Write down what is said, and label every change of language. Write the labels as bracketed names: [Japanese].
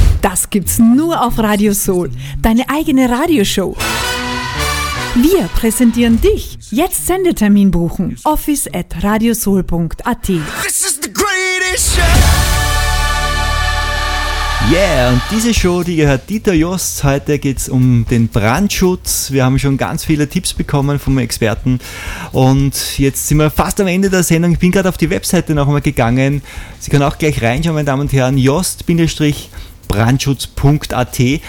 [German] Das gibt's nur auf Radio Soul. Deine eigene Radioshow. Wir präsentieren dich. Jetzt Sendetermin buchen. office@radiosoul.at. [English] This is the greatest show. [German] Yeah, und diese Show, die gehört Dieter Jost. Heute geht's um den Brandschutz. Wir haben schon ganz viele Tipps bekommen vom Experten. Und jetzt sind wir fast am Ende der Sendung. Ich bin gerade auf die Webseite noch einmal gegangen. Sie können auch gleich reinschauen, meine Damen und Herren. Jost-brandschutz.at.